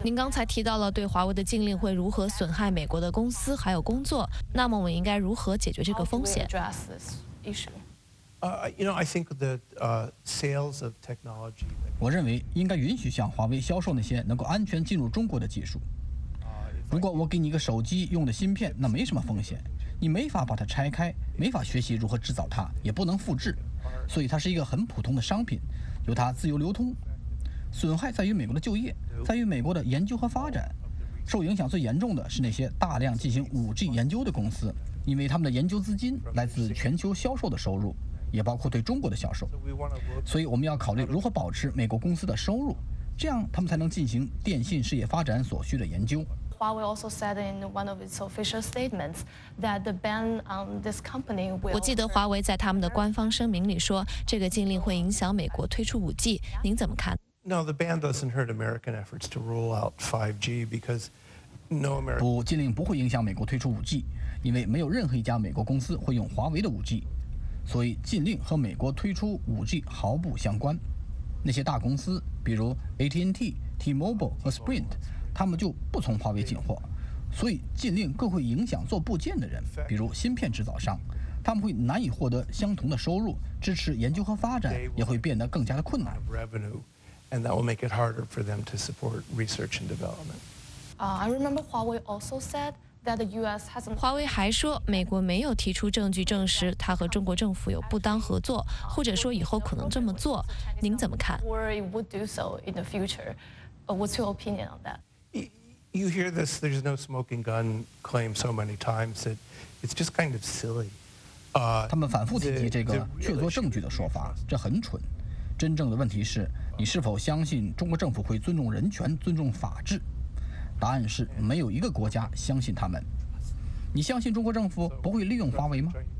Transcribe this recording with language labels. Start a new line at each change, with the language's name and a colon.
Chinese: 您刚才提到了对华为的禁令会如何损害美国的公司还有工作，那么我们应该如何解决这个风险？
English: How do we address this issue? You know, I think that sales of technology.
Chinese: 我认为应该允许向华为销售那些能够安全进入中国的技术。如果我给你一个手机用的芯片，那没什么风险，你没法把它拆开，没法学习如何制造它，也不能复制，所以它是一个很普通的商品，由它自由流通。损害在于美国的就业，在于美国的研究和发展。受影响最严重的是那些大量进行 5G 研究的公司，因为他们的研究资金来自全球销售的收入，也包括对中国的销售。所以我们要考虑如何保持美国公司的收入，这样他们才能进行电信事业发展所需的研究。
English: Huawei also said in one of its official statements that the ban on this company will.
Chinese: 我记得华为在他们的官方声明里说，这个禁令会影响美国推出 5G。您怎么看？
English: No, the ban doesn't hurt American efforts to roll out 5G because no American.
Chinese: 不，禁令不会影响美国推出 5G， 因为没有任何一家美国公司会用华为的 5G， 所以禁令和美国推出 5G 毫不相关。那些大公司，比如 AT&T、T-Mobile 和 Sprint。他们就不从华为进货，所以禁令更会影响做部件的人，比如芯片制造商，他们会难以获得相同的收入，支持研究和发展也会变得更加的困难。
English: And that will make it harder for them to support research and development. I remember Huawei also said that the U.S. hasn't.
Chinese: 华为还说，美国没有提出证据证实他和中国政府有不当合作，或者说以后可能这么做。您怎么看
English: ？Worry would do so in the future. What's your opinion on that? You hear this, there's no smoking gun claim so many times that it's just kind of silly.
Chinese: 他们反复提及这个确凿证据的说法，这很蠢。真正的问题是，你是否相信中国政府会尊重人权、尊重法治？答案是没有一个国家相信他们。你相信中国政府不会利用华为吗？